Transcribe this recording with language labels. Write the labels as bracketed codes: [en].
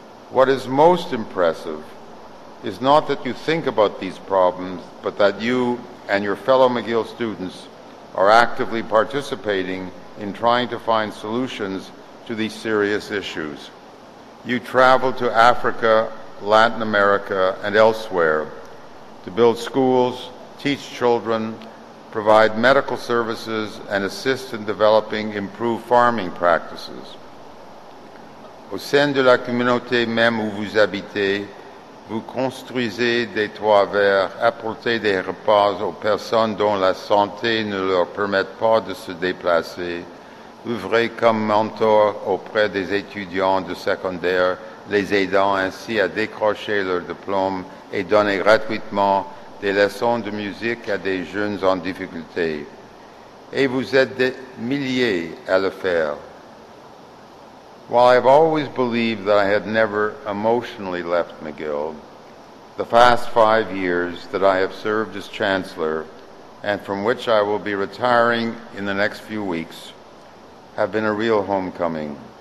[en] What is most impressive is not that you think about these problems, but that you and your fellow McGill students are actively participating in trying to find solutions to these serious issues. You travel to Africa, Latin America, and elsewhere to build schools, teach children, provide medical services, and assist in developing improved farming practices. [fr] Au sein de la communauté même où vous habitez, vous construisez des toits verts, apportez des repas aux personnes dont la santé ne leur permet pas de se déplacer, œuvrez comme mentor auprès des étudiants de secondaire, les aidant ainsi à décrocher leur diplôme et donner gratuitement des leçons de musique à des jeunes en difficulté. Et vous êtes des milliers à le faire. [en] While I have always believed that I had never emotionally left McGill, the past 5 years that I have served as Chancellor, and from which I will be retiring in the next few weeks, have been a real homecoming.